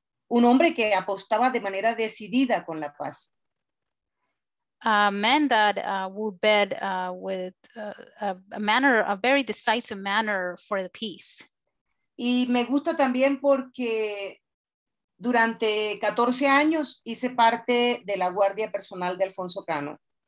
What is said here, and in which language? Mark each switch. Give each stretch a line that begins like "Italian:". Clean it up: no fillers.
Spanish: Un hombre que apostaba de manera decidida con la paz.
English: A man that would bet with a manner, a very decisive manner for the peace.
Spanish: Y me gusta también porque durante 14 años hice parte de la guardia personal de Alfonso Cano.